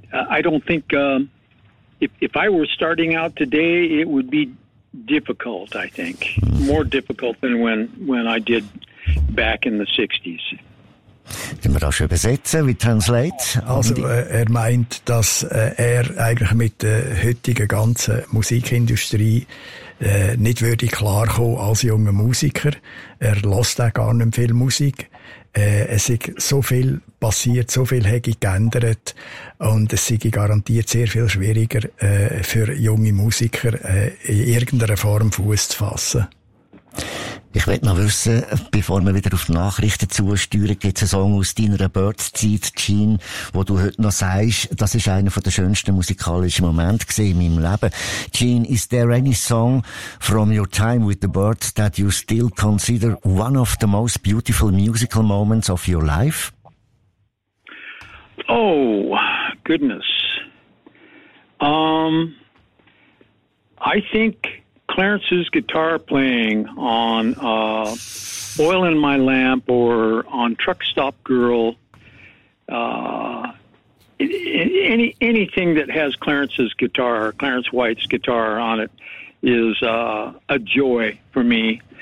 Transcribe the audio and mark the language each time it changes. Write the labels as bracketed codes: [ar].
[en] I don't think. If I were starting out today, it would be difficult, I think. More difficult than when I did back in the 60s. [de] Können wir das schon übersetzen? Wie translate? Also, er meint, dass er eigentlich mit der heutigen ganzen Musikindustrie nicht würde klarkommen als junger Musiker. Er lässt auch gar nicht viel Musik. Es ist so viel passiert, so viel hat sich geändert und es sei garantiert sehr viel schwieriger für junge Musiker in irgendeiner Form Fuß zu fassen. Ich möchte noch wissen, bevor wir wieder auf die Nachrichten zusteuern, gibt es einen Song aus deiner Birds-Zeit, Gene, wo du heute noch sagst, das ist einer der schönsten musikalischen Momente in meinem Leben. [en] Gene, is there any song from your time with the Birds that you still consider one of the most beautiful musical moments of your life? Oh, goodness. I think Clarence's guitar playing on Oil in My Lamp or on Truck Stop Girl, anything that has Clarence's guitar, Clarence White's guitar on it, is a joy for me.